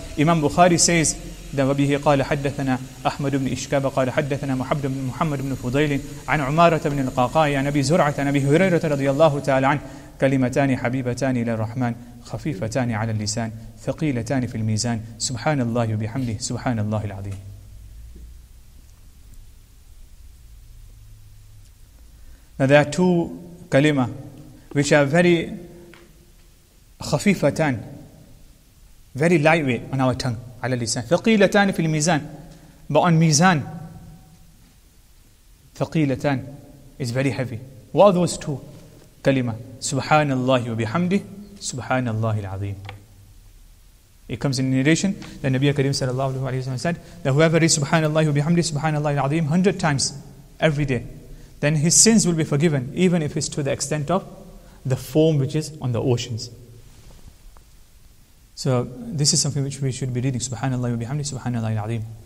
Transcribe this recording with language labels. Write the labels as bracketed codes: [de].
[en] Imam Bukhari says that [ar] وبه قال حدثنا أحمد بن إشكاب قال حدثنا محمد بن فضيل عن عمارة بن القعقاع عن أبي زرعة عن أبي هريرة رضي الله تعالى عنه كلمتان حبيبتان للرحمن خفيفتان على اللسان ثقيلتان في الميزان سبحان الله وبحمده سبحان الله العظيم. [en] Now there are two kalima which are very خفيفتان, very lightweight on our tongue. [ar] على اللسان ثقيلتان في الميزان, [en] but on [ar] ميزان ثقيلتان [en] is very heavy. What are those two [ar] كلمة؟ سبحان الله وبحمده سبحان الله العظيم. [en] It comes in narration that Nabi Kareem [ar] صلى الله عليه وسلم [en] said that whoever reads [ar] سبحان الله وبحمده سبحان الله العظيم [en] 100 times every day, then his sins will be forgiven, even if it's to the extent of the foam which is on the oceans. So this is something which we should be reading, Subhanallah wa bihamdi, Subhanallah al-Azim.